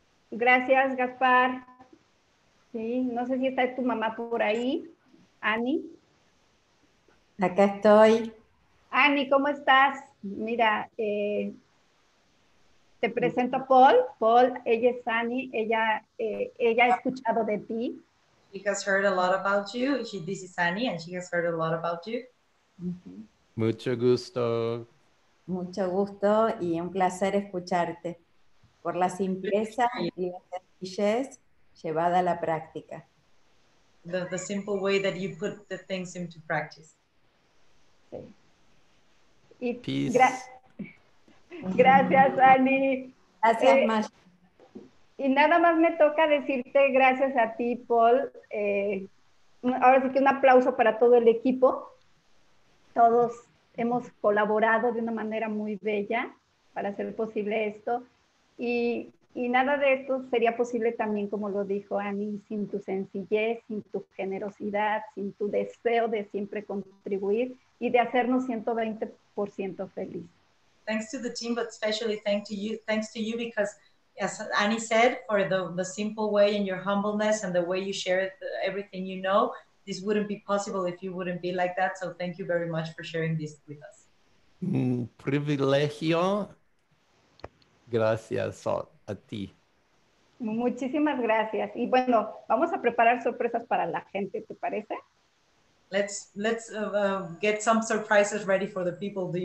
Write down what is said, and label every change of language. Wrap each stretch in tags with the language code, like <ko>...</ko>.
<es>Gracias, Gaspar. Sí, no sé si está tu mamá por ahí, Ani. Acá estoy. Ani, ¿cómo estás? Mira, te presento a Paul. Paul, ella es Ani, ella ha escuchado de ti.</es> <en>She has heard a lot about you. This is Annie, and she has heard a lot about you.</en> <es>Mm-hmm. Mucho gusto. Mucho gusto y un placer escucharte por la simpleza y la sencillez llevada a la práctica.</es> <en>the simple way that you put the things into practice.</en> <es>Sí. Y peace. Gracias, Ani. Gracias, Masha. Y nada más me toca decirte gracias a ti, Paul. Ahora sí que un aplauso para todo el equipo. Todos hemos colaborado de una manera muy bella para hacer posible esto. Y nada de esto sería posible también, como lo dijo Ani, sin tu sencillez, sin tu generosidad, sin tu deseo de siempre contribuir y de hacernos 120% feliz.</es> <en>Thanks to the team, but especially thanks to you, because as Ani said, for the simple way and your humbleness and the way you share everything you know, this wouldn't be possible if you wouldn't be like that. So thank you very much for sharing this with us.</en> <es>Privilegio. Gracias a ti. Muchísimas gracias. Y bueno, vamos a preparar sorpresas para la gente, ¿te parece?</es> <en>Let's get some surprises ready for the people.</en>